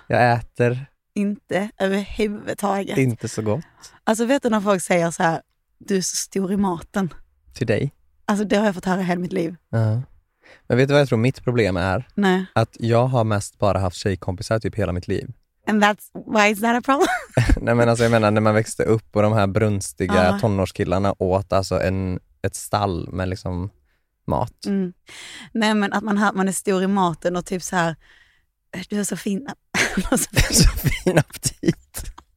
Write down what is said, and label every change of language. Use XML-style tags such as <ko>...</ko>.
<sv>Jag äter. Inte överhuvudtaget. Inte så gott. Alltså, vet du när folk säger så här, du är så stor i maten. Till dig? Alltså, det har jag fått höra hela mitt liv. Men vet du vad jag tror mitt problem är? Nej. Att jag har mest bara haft tjejkompisar typ hela mitt liv.</sv> <en>And that's, why is that a problem?</en> <sv>Nej, men alltså, jag menar, när man växte upp och de här brunstiga tonårskillarna åt alltså ett stall med liksom mat. Mm. Nej, men att man, man är stor i maten och typ så här, du har så fin aptit. Så fin aptit.</sv>